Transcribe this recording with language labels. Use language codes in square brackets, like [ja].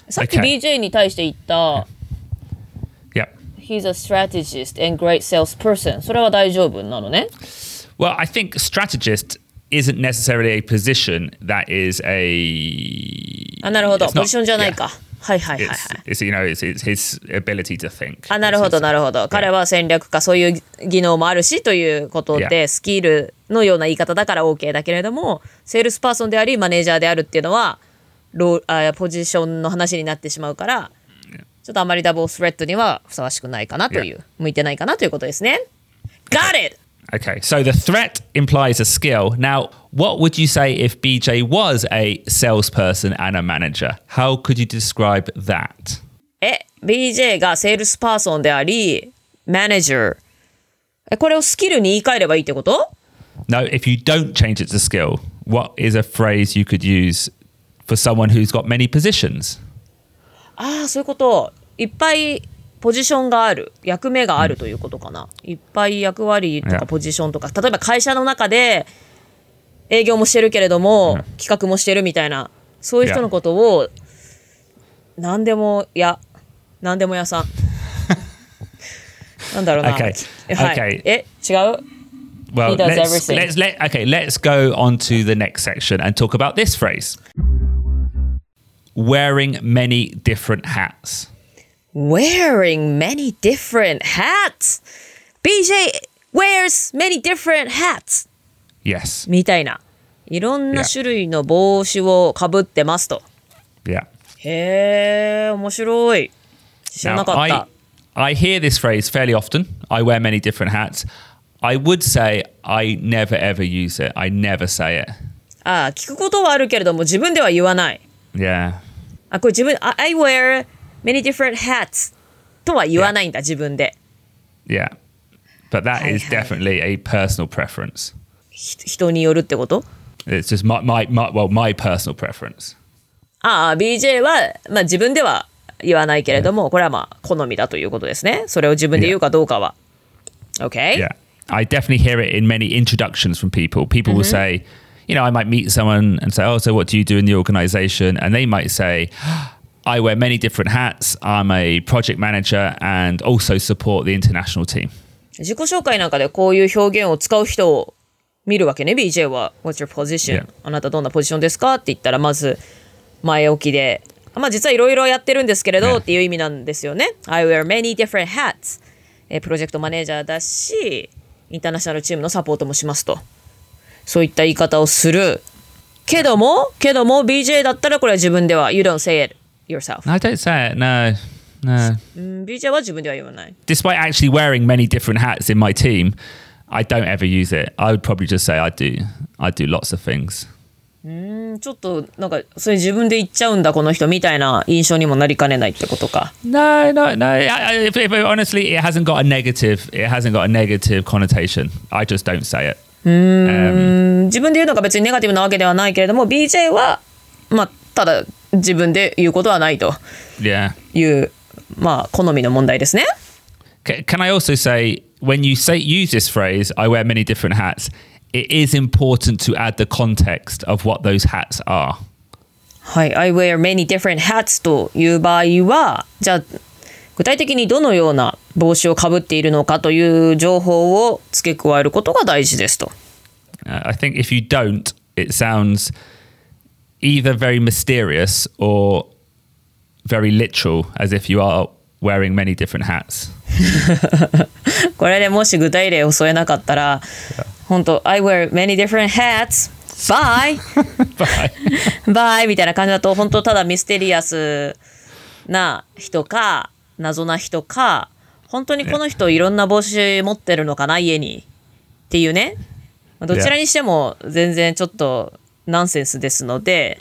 [ja] さっき BJ に対して言った、 [en] yeah. He's a strategist and great salesperson [ja] それは大丈夫なのね [en] Well, I think strategist isn't necessarily a position that is a [ja] あなるほど、ポジションじゃないか、yeah. [en] It's, you know, it's his ability to think. [ja] あ、なるほど、なるほど。彼は戦略家、そういう技能もあるしということで、スキルのような言い方だから OK だけれども、セールスパーソンであり、マネージャーであるっていうのは、ポジションの話になってしまうから、ちょっとあまりダブルスレッドにはふさわしくないかなという、向いてないかなということですね。 [en] Got it! Okay, so the threat implies a skill. Now, what would you say if BJ was a salesperson and a manager? How could you describe that? [ja] BJ がセールスパーソンであり、マネージャー。これをスキルに言い換えればいいってこと? [en] No, if you don't change it to skill, what is a phrase you could use for someone who's got many positions? [ja] ああ、そういうこと。いっぱい…ポジションがある、役目があるということかな。いっぱい役割とかポジションとか、例えば会社の中で営業もしてるけれども、企画もしてるみたいな、そういう人のことを、何でも屋、何でも屋さん。なんだろうな。 [en] Okay. [ja] はい [en] okay. [ja] 違う [en] Well, let's go on to the next section and talk about this phrase. Wearing many different hats. Wearing many different hats. BJ wears many different hats. Yes. [ja] みたいな。いろんな種類の帽子をかぶってますと。 [en] Yeah. [ja] へえ、面白い。知らなかった。 [en] Now, I hear this phrase fairly often. I wear many different hats. I would say I never ever use it. I never say it. [ja] ああ、聞くことはあるけれども、自分では言わない。 [en] Yeah. [ja] あ、これ自分、 [en] I wear... Many different hats [ja] とは言わないんだ、自分で。 [en] Yeah. But that is definitely a personal preference. [ja] 人によるってこと? [en] It's just my personal preference. [ja] ああ、BJ は、まあ、自分では言わないけれども、これはまあ好みだということですね。それを自分で言うかどうかは。 [en] Okay? Yeah. I definitely hear it in many introductions from people. People will say, you know, I might meet someone and say, oh, so what do you do in the organization? And they might say... I wear many different hats. I'm a project manager and also support the international team. [ja] 自己紹介なんかでこういう表現を使う人を見るわけね。 [en] BJ は What's your position?、Yeah. [ja] あなたどんなポジションですかって言ったらまず前置きで、まあ実はいろいろやってるんですけれど、yeah. っていう意味なんですよね。 [en] I wear many different hats. [ja] プロジェクトマネージャーだし、インターナショナルチームのサポートもしますと。そういった言い方をする。けども BJ だったらこれは自分では [en] You don't say it. Yourself. I don't say it, no. No. [ja] BJ は自分では言わない。 [en] Despite actually wearing many different hats in my team, I don't ever use it. I would probably just say I do lots of things. [ja] ちょっとなんかそれ自分で言っちゃうんだこの人みたいな印象にもなりかねないってことか。 [en] No. If honestly, it hasn't got a negative. It hasn't got a negative connotation. I just don't say it. [ja] 自分で言うのが別にネガティブなわけではないけれども、BJ はまあただ。自分で言うことはないという、 [en] yeah. [ja] まあ、好みの問題ですね。 [en] Can I also say, when you say, use this phrase, I wear many different hats, it is important to add the context of what those hats are. [ja] はい、 [en] I wear many different hats [ja] という場合は、じゃあ具体的にどのような帽子をかぶっているのかという情報を付け加えることが大事ですと。 [en] I think if you don't, it sounds either very mysterious or very literal, as if you are wearing many different hats. [ja] これでもし具体例を添えなかったら、yeah. [en] 本当 I wear many different hats. Bye. Bye. [ja] Bye みたいな感じだと本当ただミステリアスな人か謎な人か本当にこの人いろんな帽子持ってるのかな家にっていうね。どちらにしても全然ちょっとナンセンスですので、